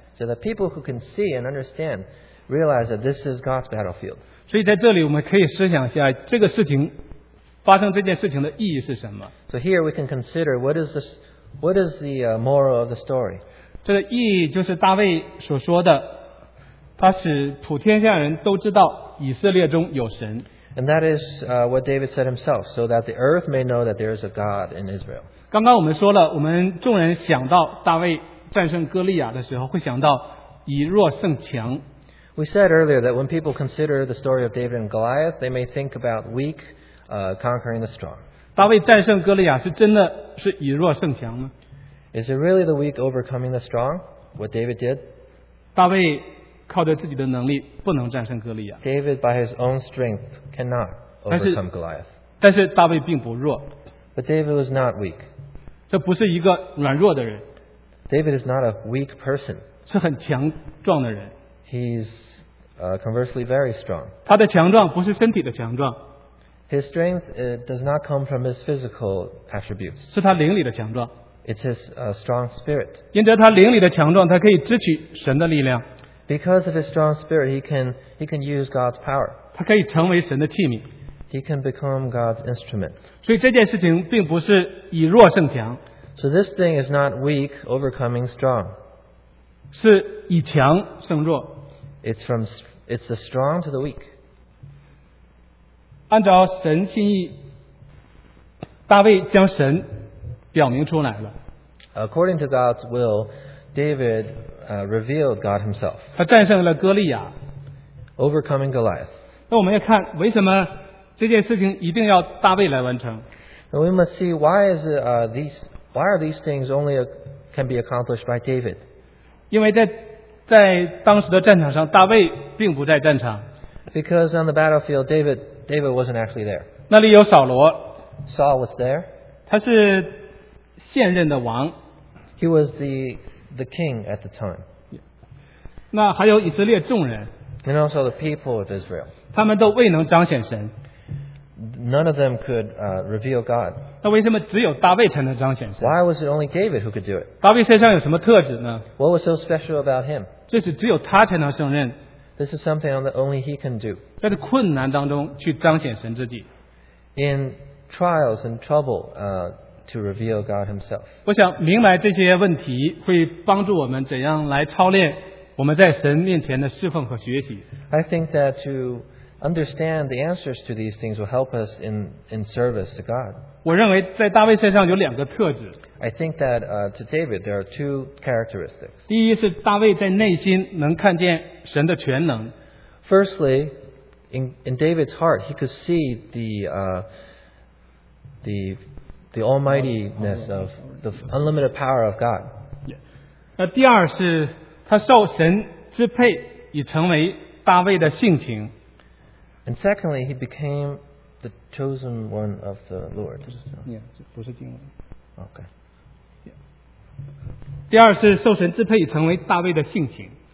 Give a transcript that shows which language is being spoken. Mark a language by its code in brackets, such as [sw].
[en] So that people who can see and understand realize that this is God's battlefield. [zh] 所以在这里我们可以思想一下这个事情发生这件事情的意义是什么。 [en] So here we can consider what is the moral of the story. [zh] 这个意义就是大卫所说的，他使普天下人都知道以色列中有神。 [en] And that is what David said himself, so that the earth may know that there is a God in Israel. [zh] 刚刚我们说了，我们众人想到大卫战胜哥利亚的时候，会想到以弱胜强。 [en] We said earlier that when people consider the story of David and Goliath, they may think about weak conquering the strong. [zh] 大卫战胜哥利亚是真的是以弱胜强吗？ [en] Is it really the weak overcoming the strong, what David did? [zh] 大卫靠着自己的能力不能战胜哥利亚。 [en] David by his own strength cannot overcome Goliath. [zh] 但是大卫并不弱。 [en] But David was not weak. [zh] 这不是一个软弱的人。 [en] David is not a weak person. [zh] 是很强壮的人。 [en] He's conversely very strong. [zh] 他的强壮不是身体的强壮。 [en] His strength does not come from his physical attributes. [zh] 是他灵里的强壮。 [en] It's his strong spirit. [zh] 因着他灵里的强壮，他可以支取神的力量。 [en] Because of his strong spirit, he can use God's power. [zh] 他可以成为神的器皿。 [en] He can become God's instrument. [zh] 所以这件事情并不是以弱胜强。 [en] So this thing is not weak overcoming strong. [zh] 是以强胜弱。 [en] It's the strong to the weak. [zh] 按照神心意，大卫将神表明出来了。 [en] According to God's will, David revealed God himself. [zh] 他战胜了哥利亚。 [en] Overcoming Goliath. [zh] 那我们要看为什么这件事情一定要大卫来完成。 [en] And we must see why are these things only can be accomplished by David? [zh] 因为在当时的战场上，大卫并不在战场。 [en] Because on the battlefield, David wasn't actually there. [zh] 那里有扫罗。 [en] Saul was there. [zh] 他是现任的王。 [en] He was the king at the time. [zh] 那还有以色列众人。 [en] And also the people of Israel. [zh] 他们都未能彰显神。 [en] None of them could reveal God. [zh] 那为什么只有大卫才能彰显神？ [en] Why was it only David who could do it? [zh] 大卫身上有什么特质呢？ [en] What was so special about him? [zh] 这是只有他才能胜任。 [en] This is something that only he can do. [zh] 在困难当中去彰显神自己。 [en] In trials and trouble, to reveal God himself. [zh] 我想明白这些问题会帮助我们怎样来操练我们在神面前的侍奉和学习。 [en] I think that to understand the answers to these things will help us in service to God. [zh] 我认为在大卫身上有两个特质。 [en] I think that to David there are two characteristics. [zh] 第一是大卫在内心能看见神的全能。 [en] Firstly, in David's heart, he could see the almightiness of the unlimited power of God. [zh] 那第二是他受神支配，已成为大卫的性情。 [en] And secondly, he became the chosen one of the Lord. [zh] 不是经文。 [en] Okay. [zh] 第二是受神支配，成为大卫的性情。